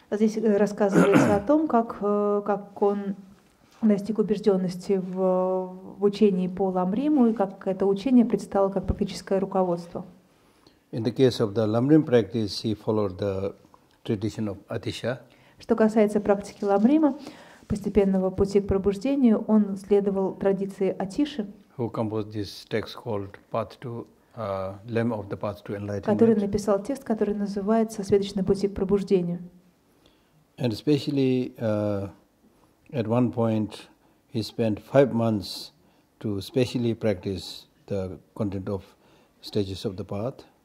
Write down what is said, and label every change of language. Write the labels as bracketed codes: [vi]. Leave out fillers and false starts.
[ru] Здесь рассказывается о том, как он достиг убежденности в учении по ламриму и как это учение предстало как практическое руководство. [en] In the case of the lamrim practice, he followed the tradition of Atisha. [ru] Что касается практики ламрима, постепенного пути к пробуждению, он следовал традиции Атиши. [en] Who composed this text called Path to Lamb of the Path to Enlightenment? [ru] Который написал текст, который называется «Светоч на пути к пробуждению». [en] And especially at one point, he spent 5 months to specially practice the content of stages of the path.